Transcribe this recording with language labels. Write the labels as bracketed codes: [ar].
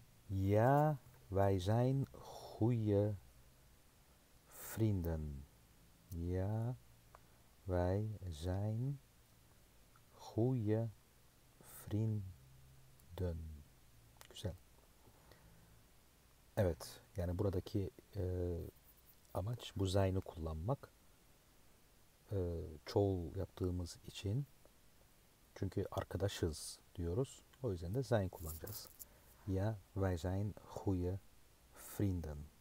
[nl] Ja, wij zijn goede vrienden. Ja, wij zijn goede vrienden. [tr] Güzel. Evet, yani buradaki amaç bu zayn'ı kullanmak. Çoğul yaptığımız için, çünkü arkadaşız diyoruz, o yüzden de zayn kullanacağız. [nl] Ja, wij zijn goede vrienden.